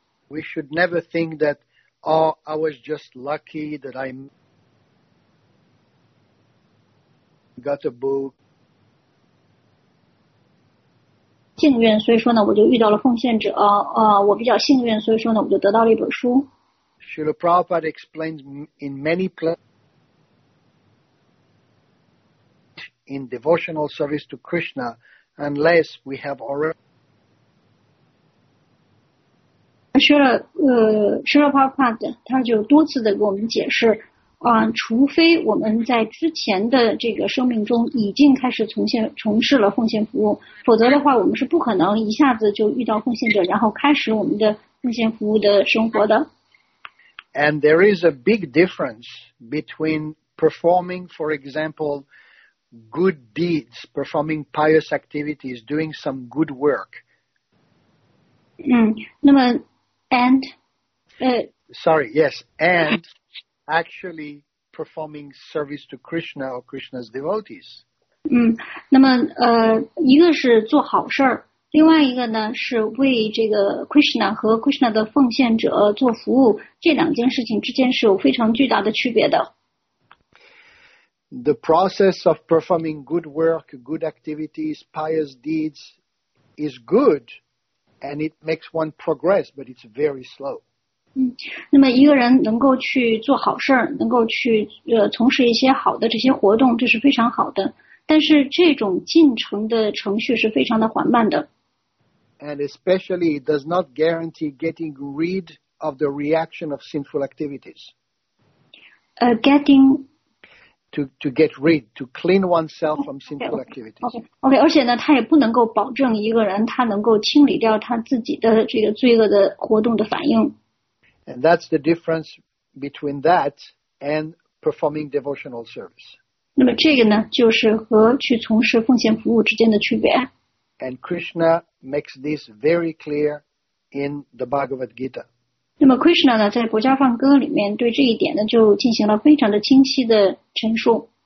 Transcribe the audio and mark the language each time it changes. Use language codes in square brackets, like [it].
[en] We should never think that, oh, I was just lucky that I got a book. [zh] 幸运，所以说呢，我就遇到了奉献者。我比较幸运，所以说呢，我就得到了一本书。 [en] Srila Prabhupada explains in many places in devotional service to Krishna, unless we have already. [zh] Srila Prabhupada 他就多次的给我们解释，除非我们在之前的这个生命中已经开始从事了奉献服务，否则的话，我们是不可能一下子就遇到奉献者，然后开始我们的奉献服务的生活的。 [en] And there is a big difference between performing, for example, good deeds, performing pious activities, doing some good work. [zh] 嗯，那么 and [en] Sorry, yes, and actually performing service to Krishna or Krishna's devotees. [zh] 嗯，那么一个是做好事，另外一个呢是为这个 Krishna 和 Krishna 的奉献者做服务，这两件事情之间是有非常巨大的区别的。 [en] The process of performing good work, good activities, pious deeds is good and it makes one progress, but it's very slow. [zh] 嗯，那么一个人能够去做好事，能够去从事一些好的这些活动，这是非常好的。但是这种进程的程序是非常的缓慢的。 [en] And especially it does not guarantee getting rid of the reaction of sinful activities. To get rid, to clean oneself from sinful activities. Okay. [zh] 而且呢，他也不能够保证一个人他能够清理掉他自己的这个罪恶的活动的反应。 [en] And that's the difference between that and performing devotional service. [zh] 那么这个呢，就是和去从事奉献服务之间的区别。 [en] And Krishna makes this very clear in the Bhagavad Gita. [zh] 那么 Krishna 呢，在《薄伽梵歌》里面对这一点呢，就进行了非常的清晰的陈述。